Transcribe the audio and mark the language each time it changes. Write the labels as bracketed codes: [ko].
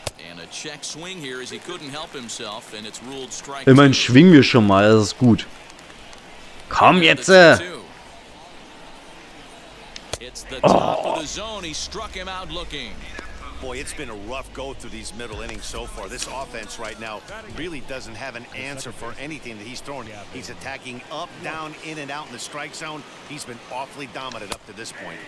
[en] And a check swing here as he couldn't help himself and it's ruled strike. [de] Immerhin schwingen wir schon mal, das ist gut. Komm jetzt. [en] It's the top of the zone. He struck him out looking. Boy, it's been a rough go through these middle innings so far. This offense right now really doesn't have an answer for anything that he's throwing. He's attacking up, down, in and out in the strike zone. He's been awfully dominant up to this point.